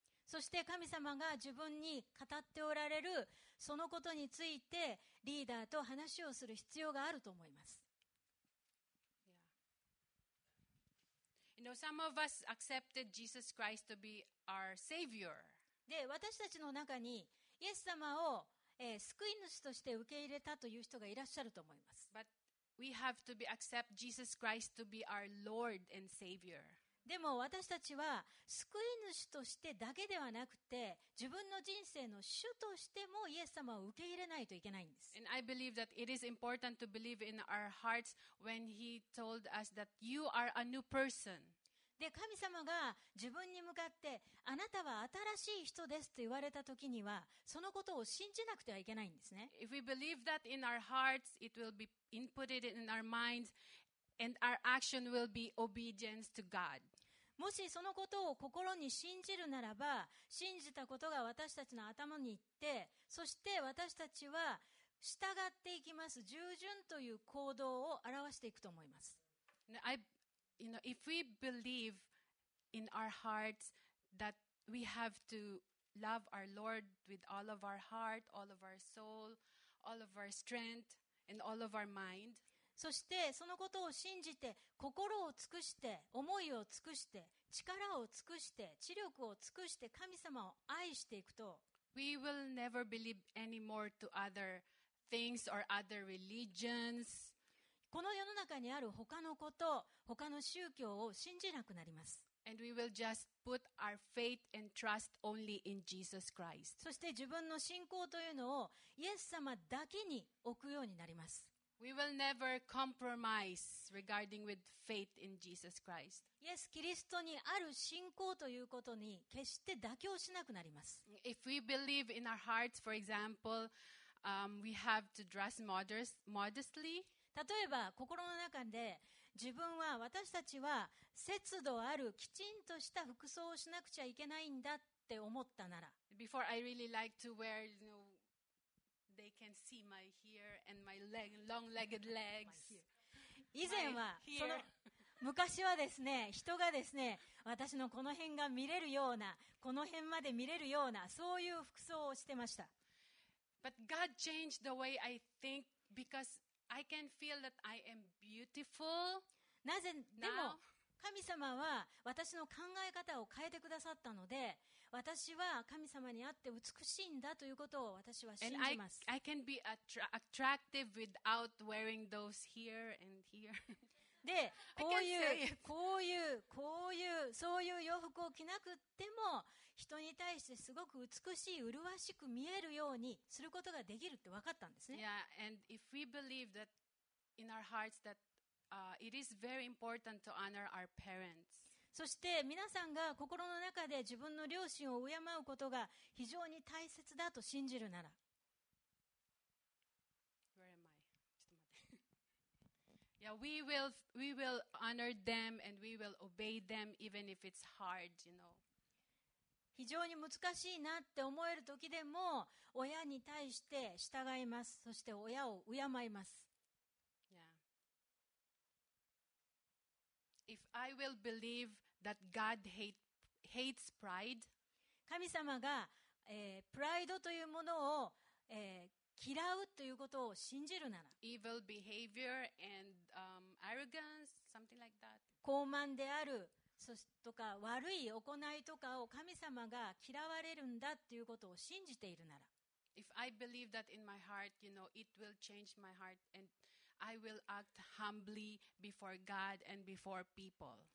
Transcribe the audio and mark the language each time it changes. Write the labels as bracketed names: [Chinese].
[Japanese] そして神様が自分に語っておられるそのことについてリーダーと話をする必要があると思います。 [English] Yeah. You know, some of us accepted Jesus Christ to be our savior. [Japanese] で、私たちの中にイエス様を救い主として受け入れたという人がいらっしゃると思います。 [English] But we have to be accept Jesus Christ to be our Lord and Savior. [Japanese] でも私たちは救い主としてだけではなくて、自分の人生の主としてもイエス様を受け入れないといけないんです。 [English] And I believe that it is important to believe in our hearts when He told us that you are a new person. [Japanese] で、神様が自分に向かってあなたは新しい人ですと言われた時には、そのことを信じなくてはいけないんですね。 [English] If we believe that in our hearts, it will be inputted in our minds, and our action will be obedience to God. [Japanese] もしそのことを心に信じるならば、信じたことが私たちの頭に行って、そして私たちは従っていきます。従順という行動を表していくと思います。 [English] You know, if we believe in our hearts that we have to love our Lord with all of our heart, all of our soul, all of our strength, and all of our mind. [Japanese] そしてそのことを信じて、心を尽くして、思いを尽くして、力を尽くして、知力を尽くして神様を愛していくと、 [English] We will never believe anymore to other things or other religions. [Japanese] この世の中にある他のこと、他の宗教を信じなくなります。 [English] And we will just put our faith and trust only in Jesus Christ. [Japanese] そして自分の信仰というのをイエス様だけに置くようになります。 [English] We will never compromise regarding with faith in Jesus Christ. [Japanese] Yes, キリストにある信仰ということに決して妥協しなくなります。 [English] If we believe in our hearts, for example, we have to dress modestly. [Japanese] 例えば心の中で自分は私たちは節度あるきちんとした服装をしなくちゃいけないんだって思ったなら。 [English] Before I really like to wear, you know,They can see my hair and my leg, long-legged legs. [Japanese] 以前はその昔はですね、人がですね、私のこの辺が見れるようなこの辺まで見れるようなそういう服装をしてました。 [English] But God changed the way I think because I can feel that I am beautiful. [Japanese] なぜでも神様は私の考え方を変えてくださったので、私は神様にあって美しいんだということを私は信じます。 [English] I can be attractive without wearing those here and here. [Japanese] で、こういうそういう洋服を着なくても人に対してすごく美しい、麗しく見えるようにすることができるって分かったんですね。 [English] Yeah, and if we believe that in our hearts thatit is very important to honor our parents. [Japanese] そして皆さんが心の中で自分の両親を敬うことが非常に大切だと信じるなら。 [English] Where am I? [Japanese] ちょっと待って。 [English] Yeah, we will honor them and we will obey them even if it's hard, you know. [Japanese] 非常に難しいなって思える時でも親に対して従います。そして親を敬います。 [English] If I will believe that God hates pride, [Japanese] 神様が、プライドというものを、嫌うということを信じるなら、 [English] evil behavior and, arrogance, something like that. [Japanese] 傲慢であるそしとか悪い行いとかを神様が嫌われるんだということを信じているなら、 [English] If I believe that in my heart, you know, it will change my heart and I will act humbly before God and before people.